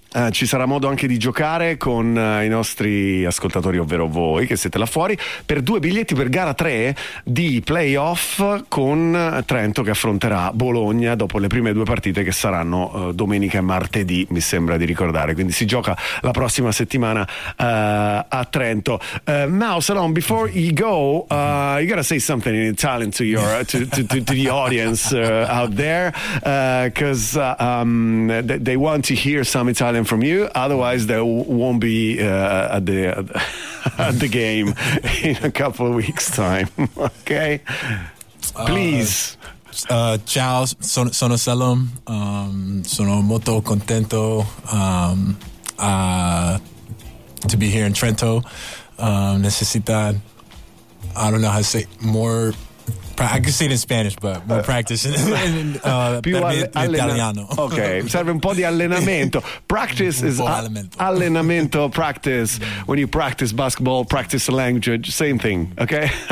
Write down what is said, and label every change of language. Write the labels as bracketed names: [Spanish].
[Italian] Ci sarà modo anche di giocare con i nostri ascoltatori, ovvero voi che siete là fuori, per due biglietti per gara 3 di playoff con Trento, che affronterà Bologna dopo le prime due partite, che saranno domenica e martedì, mi sembra di ricordare. Quindi si gioca la prossima settimana a Trento. [English] Now Salon, before you go, you gotta say something in Italian to your to the audience out there, because they want to hear some Italian from you, otherwise they won't be at the game in a couple of weeks' time. Okay, please. [Italian] Ciao, sono Salom. Sono molto contento [English] to be here in Trento. Necessita, I don't know how to say more. I can say it in Spanish, but more practice in italiano. [Italian] Okay, serve un po' di allenamento. Practice is allenamento. [English] Practice when you practice basketball, practice language, same thing. Okay.